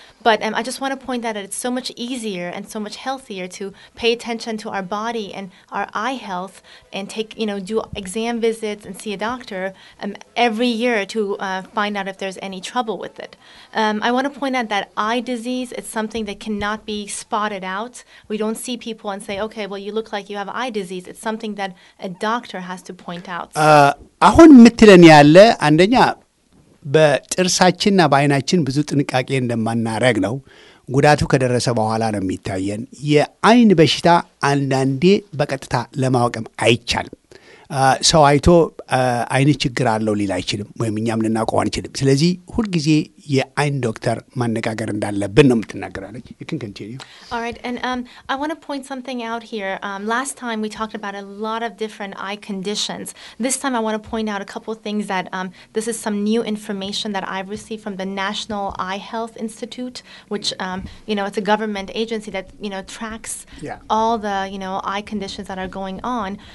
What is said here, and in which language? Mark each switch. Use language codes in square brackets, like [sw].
[en] But I just want to point out that it's so much easier and so much healthier to pay attention to our body and our eye health and take, you know, do exam visits and see a doctor every year to find out if there's any trouble with it. I want to point out that eye disease is something that cannot be spotted out. We don't see people and say, okay, well, you look like you have eye disease. It's something that a doctor has to point out. [am] አሁን ምትለኝ ያለ አንደኛ በጥርሳችንና በአይናችን ብዙ ጥንቃቄ እንደማናረግ ነው። ጉዳቱ ከደረሰ በኋላ ነው የሚታየን። የአይን በሽታ አንዳንዴ በቀጥታ ለማወቅም አይቻልም። ሰው አይቶ አይን ችግር አለው ሊል አይችልም፣ ወይም እኛም ልናውቀው አንችልም። ስለዚህ ሁልጊዜ የአይን ዶክተር ማነጋገር እንዳለብን ነው የምትናገራለች። [en] You can continue. All right, and I want to point something out here. Last time we talked about a lot of different eye conditions. This time I want to point out a couple of things that this is some new information that I've received from the National Eye Health Institute, which you know, it's a government agency that, you know, tracks all the, you know, eye conditions that are going on.